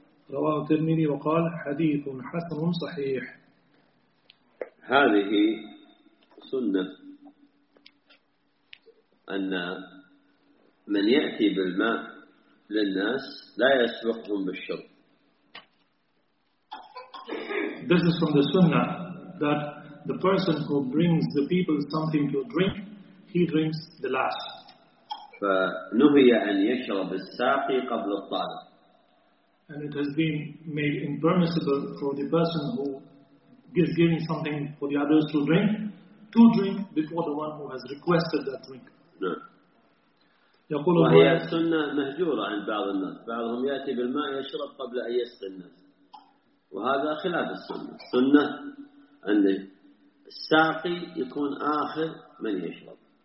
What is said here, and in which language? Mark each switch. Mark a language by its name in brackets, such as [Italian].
[Arabic] رواه الترمذي وقال حديث حسن صحيح. هذه سنة أن من يأتي بالماء للناس لا يسبقهم بالشرب. [English] This is from the sunnah that the person who brings the people something to drink, he drinks the last. [Arabic] فنهي أن يشرب الساقي قبل الطالب. [English] And it has been made impermissible for the person who is giving something for the others to drink, to drink before the one who has requested that drink. [Arabic] يقول وهي السنة مهجورة عند بعض الناس. بعضهم يأتي بالماء يشرب قبل أن يسق الناس. وهذا خلاف السنة. السنة أن الساقي يكون آخر من يشرب.